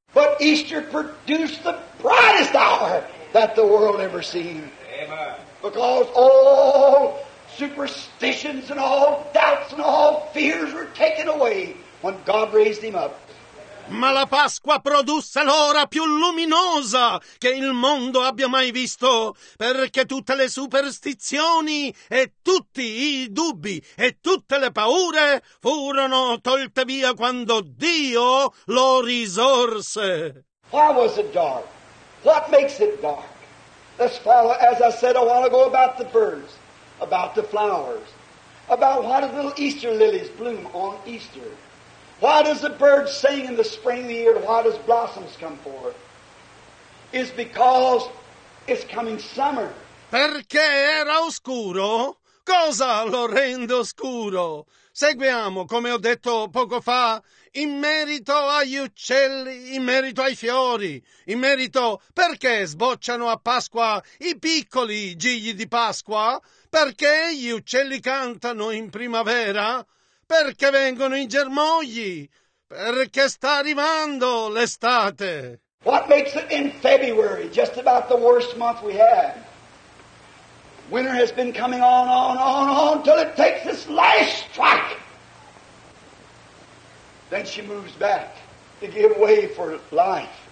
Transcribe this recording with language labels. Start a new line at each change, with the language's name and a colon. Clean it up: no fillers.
English: But Easter produced the brightest hour that the world ever seen. Amen. Because all superstitions and all doubts and all fears were taken away when God raised him up.
Italian: Ma la Pasqua produsse l'ora più luminosa che il mondo abbia mai visto, perché tutte le superstizioni e tutti i dubbi e tutte le paure furono tolte via quando Dio lo risorse.
English: Why was it dark? What makes it dark? Let's follow, as I said a while ago, about the birds, about the flowers, about why do little Easter lilies bloom on Easter? Why does the bird sing in the spring of the year? Why does blossoms come forth? It's because it's coming summer.
Italian: Perché era oscuro? Cosa lo rende oscuro? Seguiamo, come ho detto poco fa, in merito agli uccelli, in merito ai fiori, in merito perché sbocciano a Pasqua i piccoli gigli di Pasqua, perché gli uccelli cantano in primavera, perché vengono i germogli, perché sta arrivando l'estate.
English: What makes it in February, just about the worst month we have? Winter has been coming on, till it takes this last strike. Then she moves back to give way for life.